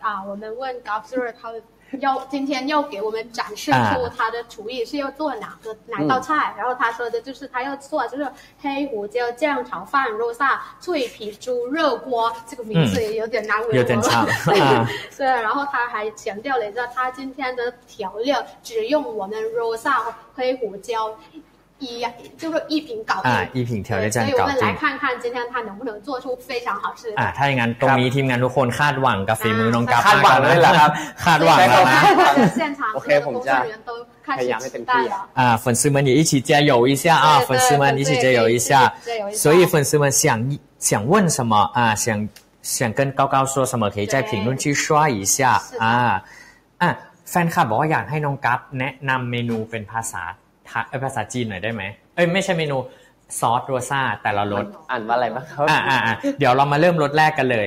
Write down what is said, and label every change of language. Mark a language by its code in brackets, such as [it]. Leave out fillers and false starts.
[zh] 我们问高斯瑞他要今天要给我们展示出他的厨艺是要做哪道菜，然后他说的就是他要做就是黑胡椒酱炒饭肉萨脆皮猪肉锅，这个名字也有点难为我，有点长。对，然后他还强调了一下，他今天的调料只用我们肉萨黑胡椒一瓶搞定，一瓶调料酱搞定。所以我们来看看今天他能不能做出非常好吃的。啊，太难，中医听难， [th] ทุกคนคาดหวังกับฝีมือน้องกัฟ คาดหวังเลยเหรอครับ คาดหวังแล้วนะ โอเคผมจะ พยายามให้เต็มที่ [zh] 粉丝们也一起加油一下啊，粉丝们一起加油一下。所以粉丝们想问什么啊？想跟高高说什么？可以在评论区刷一下啊。 [th] แฟนคลับบอกว่าอยากให้น้องกัฟแนะนำเมนูเป็นภาษาภาษาจีนหน่อยได้ไหมเอ้ยไม่ใช่เมนูซอสโรซ่าแต่ละรส อ่านว่าอะไรบ้างครับ เดี๋ยวเรามาเริ่มรสแรกกันเลย